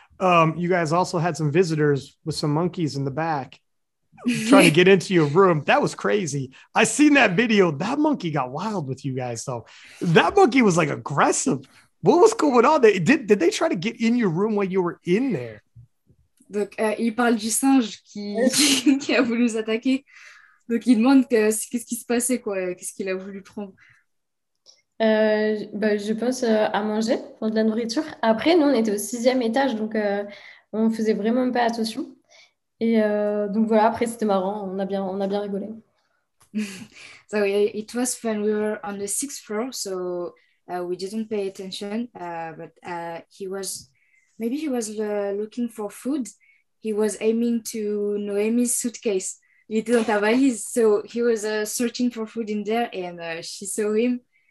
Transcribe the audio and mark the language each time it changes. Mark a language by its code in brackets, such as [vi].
[en] You guys also had some visitors with some monkeys in the back trying to get into your room. That was crazy. I seen that video. That monkey got wild with you guys, though. That monkey was like aggressive. What was going on there? Did they try to get in your room while you were in there? [fr] Donc, il parle du singe qui a voulu nous attaquer. Donc, il demande qu'est-ce qui se passait, quoi, qu'est-ce qu'il a voulu prendre. Je pense à manger pour de la nourriture. Après, nous, on était au sixième étage, donc on faisait vraiment pas attention. Et donc voilà, après, c'était marrant, on a bien rigolé. [en] So, yeah, it was when we were on the sixth floor, so we didn't pay attention, but he was. Maybe he was looking for food. He was aiming to Noemi's suitcase. [fr] Il était dans ta valise. [en] So he was searching for food in there, and she saw him.